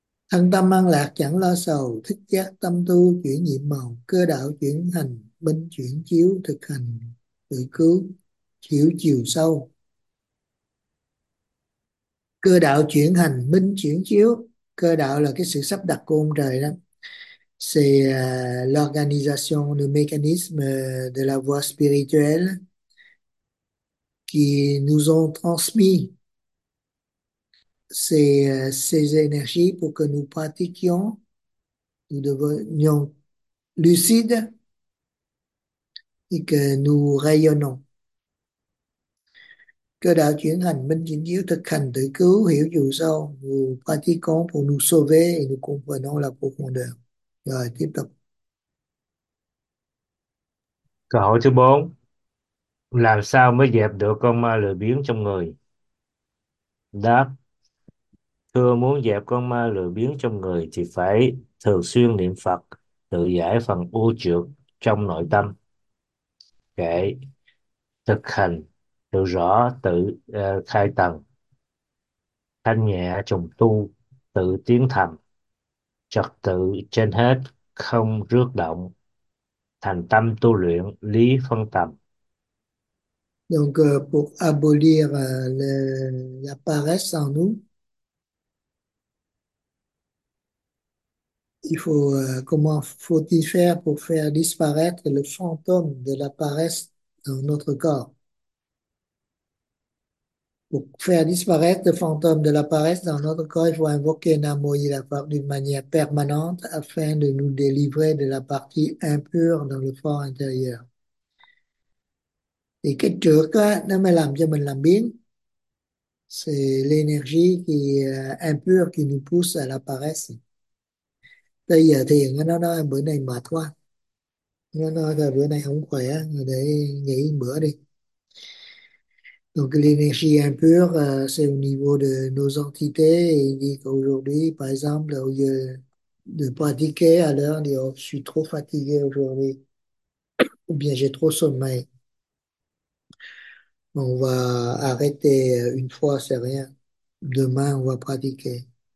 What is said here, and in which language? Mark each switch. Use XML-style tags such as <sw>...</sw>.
<vi>Thân tâm an lạc chẳng lo sầu, thức giác tâm tu chuyển nhiệm màu, cơ đạo chuyển hành, binh chuyển chiếu, thực hành tự cứu, hiểu chiều sâu. Cơ đạo chuyển hành, binh chuyển chiếu, cơ đạo là cái sự sắp đặt của ông trời đó.</vi> <fr>C'est l'organisation, le mécanisme de la voie spirituelle qui nous ont transmis ces énergies pour que nous pratiquions, nous devenions lucides et que nous rayonnons.</fr> <vi>Cơ đạo chuyển hành, minh chuyển chiếu, thực hành tự cứu, hiểu dù sâu,</vi> <fr>nous pratiquons pour nous sauver et nous comprenons la profondeur.</fr> <vi>Rồi, tiếp tục. Câu hỏi thứ 4. Làm sao mới dẹp được con ma lười biếng trong người? Đáp: Thưa, muốn dẹp con ma lười biếng trong người thì phải thường xuyên niệm Phật, tự giải phần ưu trược trong nội tâm. Kệ, thực hành hiểu rõ tự khai tầng, thanh nhẹ trùng tu, tự tiến thầm, trật tự trên hết, không rước động, thành tâm tu luyện lý phân tầm.</vi> <fr>Donc, pour abolir la paresse en nous, comment faut-il faire pour faire disparaître le fantôme de la paresse dans notre corps. Pour faire disparaître le fantôme de la paresse dans notre corps, il faut invoquer Namo-Yirapa d'une manière permanente afin de nous délivrer de la partie impure dans le fort intérieur.</fr> <vi>Et cái trước á, nó mới làm cho mình làm biếng.</vi> <fr>C'est l'énergie qui impure qui nous pousse à la paresse.</fr> <vi>Bây giờ thiền nó nói bữa nay mệt quá. Nó nói là bữa nay không khỏe, để nghỉ bữa đi.</vi> <fr>Donc l'énergie impure, c'est au niveau de nos entités. Il dit qu'aujourd'hui, par exemple, au lieu de pratiquer à l'heure, dit, oh, je suis trop fatigué aujourd'hui, ou bien j'ai trop sommeil. On va arrêter une fois, c'est rien. Demain, on va pratiquer.</fr>